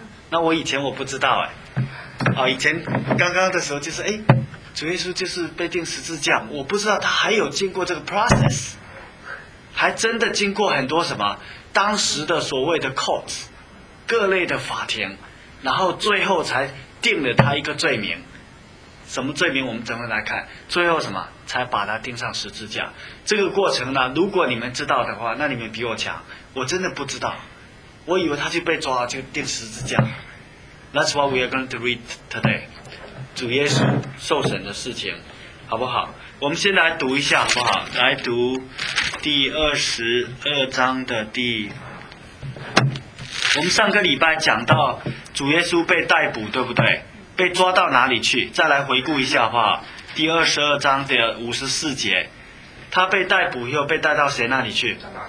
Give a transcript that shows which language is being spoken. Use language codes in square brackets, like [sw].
[zh] 那我以前我不知道哎。好，以前刚刚的时候就是哎，主耶稣就是被钉十字架，我不知道他还有经过这个 process， 还真的经过很多什么当时的所谓的 courts， 各类的法庭，然后最后才定了他一个罪名。什么罪名？我们等会来看。最后什么才把他钉上十字架？这个过程呢，如果你们知道的话，那你们比我强。我真的不知道，我以为他就被抓就钉十字架。 [en] That's what we are going to read today， [zh] 主耶稣受审的事情，好不好？我们先来读一下，好不好？来读第二十二章的第。我们上个礼拜讲到主耶稣被逮捕，对不对？被抓到哪里去？再来回顾一下，好不好？第二十二章的54节，他被逮捕又被带到谁那里去？